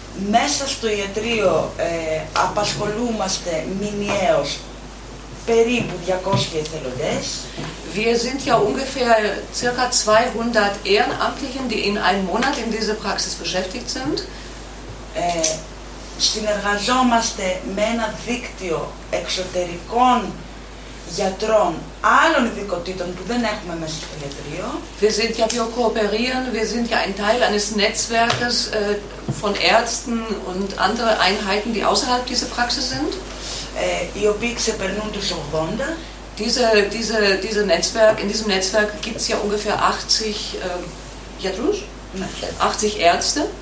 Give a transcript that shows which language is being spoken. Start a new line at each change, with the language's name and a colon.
Greek: Μέσα στο ιατρείο απασχολούμαστε μηνιαίως περίπου 200 εθελοντές.
German: Wir sind ja ungefähr ca. 200 Ehrenamtlichen, die in einem Monat in dieser Praxis beschäftigt sind.
Greek: συνεργαζόμαστε με ένα δίκτυο εξωτερικών γιατρών άλλων ειδικοτήτων που δεν έχουμε μέσα στο ιατρείο.
German: Wir sind ja, wir kooperieren, wir sind ja ein Teil eines Netzwerkes von Ärzten und andere Einheiten, die außerhalb dieser Praxis sind.
Greek: Οι οποίοι ξεπερνούν τους 80.
German: Diese Netzwerk, in diesem Netzwerk gibt es ja ungefähr 80 γιατρούς, 80 Ärzte.